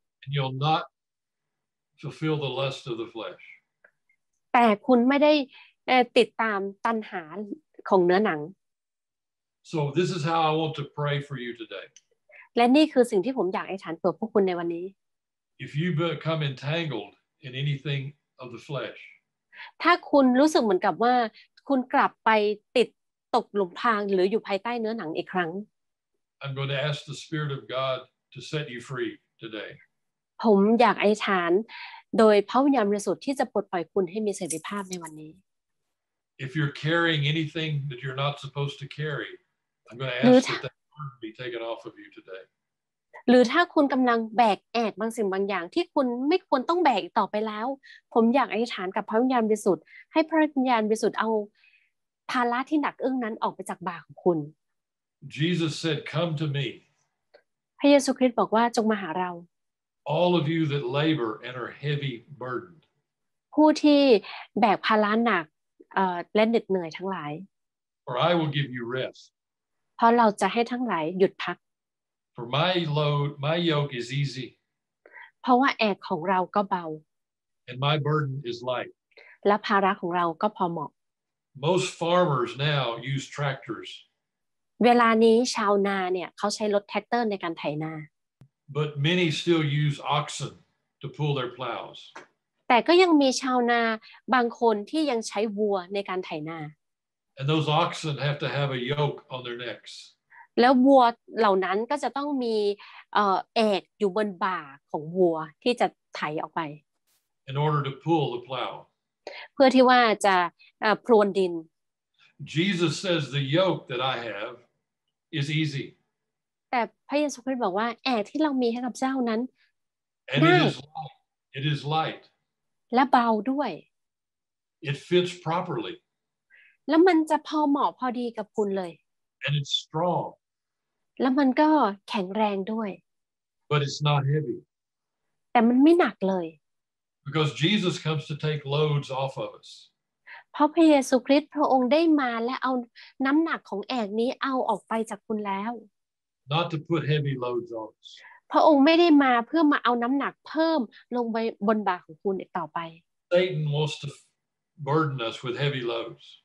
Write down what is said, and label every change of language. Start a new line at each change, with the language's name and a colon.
English: And you'll not fulfill the lust of the flesh.
Thai: แต่คุณไม่ได้ติดตามตัณหาของเนื้อหนัง
English: So this is how I want to pray for you today.
Thai: และนี่คือสิ่งที่ผมอยากให้ฉันเปิดพวกคุณในวันนี้
English: If you become entangled in anything of the flesh.
Thai: ถ้าคุณรู้สึกเหมือนกับว่าคุณกลับไปติดตกหลุมพรางหรืออยู่ภายใต้เนื้อหนังอีกครั้ง
English: I'm going to ask the Spirit of God to set you free today.
Thai: ผมอยากอธิษฐานโดยพระวิญญาณบริสุทธิ์ที่จะปลดปล่อยคุณให้มีเสรีภาพในวันนี้
English: If you're carrying anything that you're not supposed to carry I'm going to ask that that burden be taken off of you today
Thai: หรือถ้าคุณกําลังแบกแอกบางสิ่งบางอย่างที่คุณไม่ควรต้องแบกต่อไปแล้วผมอยากอธิษฐานกับพระวิญญาณบริสุทธิ์ให้พระวิญญาณบริสุทธิ์เอาภาระที่หนักอึ้งนั้นออกไปจากบ่าของคุณ
English: Jesus said come to me
Thai: พระเยซูคริสต์บอกว่าจงมาหาเรา
English: All of you that labor and are heavy burdened.
Thai: ผู้ที่แบกภาระหนักและเหน็ดเหนื่อยทั้งหลาย
English: For I will give you rest.
Thai: เพราะเราจะให้ทั้งหลายหยุดพัก
English: For my yoke is easy.
Thai: เพราะว่าแอกของเราก็เบา
English: And my burden is light.
Thai: และภาระของเราก็พอเหมาะ
English: Most farmers now use tractors.
Thai: เวลานี้ชาวนาเนี่ยเขาใช้รถแทรกเตอร์ในการไถนา
English: But many still use oxen to pull their plows.
Thai: แต่ก็ยังมีชาวนาบางคนที่ยังใช้วัวในการไถนา
English: And those oxen have to have a yoke on their necks.
Thai: แล้ววัวเหล่านั้นก็จะต้องมีแอกอยู่บนบ่าของวัวที่จะไถออกไป
English: In order to pull the plow.
Thai: เพื่อที่ว่าจะพรวนดิน
English: Jesus says the yoke that I have is easy.
Thai: แต่พระเยซูคริสต์บอกว่าแอกที่เรามีให้กับเจ้านั้น ง่าย และเบาด้วย
English: It fits properly
Thai: แล้วมันจะพอเหมาะพอดีกับคุณเลย
English: And it's strong
Thai: แล้วมันก็แข็งแรงด้วย
English: But it's not heavy
Thai: แต่มันไม่หนักเลย
English: Because Jesus comes to take loads off of us
Thai: เพราะพระเยซูคริสต์พระองค์ได้มาและเอาน้ำหนักของแอกนี้เอาออกไปจากคุณแล้ว
English: Not to put heavy loads on us.
Thai: พระองค์ไม่ได้มาเพื่อมาเอาน้ำหนักเพิ่มลงไปบนบ่าของคุณต่อไป
English: Satan wants to burden us with heavy loads.